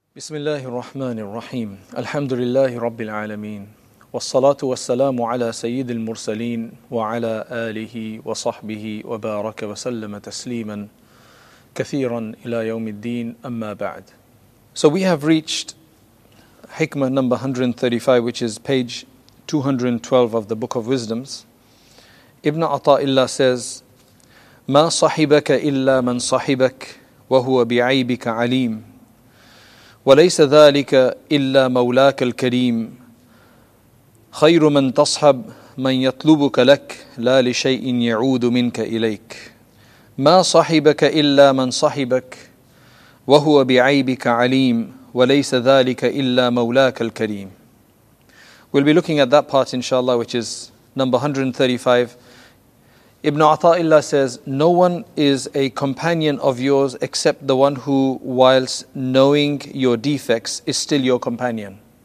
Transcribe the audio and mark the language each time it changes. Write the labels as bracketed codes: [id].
[ar] بسم الله الرحمن الرحيم الحمد لله رب العالمين والصلاة والسلام على سيد المرسلين وعلى آله وصحبه وبارك وسلم تسليما كثيرا إلى يوم الدين أما بعد. [en] So we have reached Hikmah number 135, which is page 212 of the Book of Wisdoms. [ar] Ibn Ata'illah says, مَا صَحِبَكَ إِلَّا مَنْ صَحِبَكَ وَهُوَ بِعَيْبِكَ عَلِيمٌ وليس ذلك إلا مولاك الكريم خير من تصحب من يطلبك لك لا لشيء يعود منك إليك ما صحبك إلا من صحبك وهو بعيبك عليم وليس ذلك إلا مولاك الكريم. [en] We'll be looking at that part inshallah, which is number 135. Ibn Ata'illah says, no one is a companion of yours except the one who, whilst knowing your defects, is still your companion.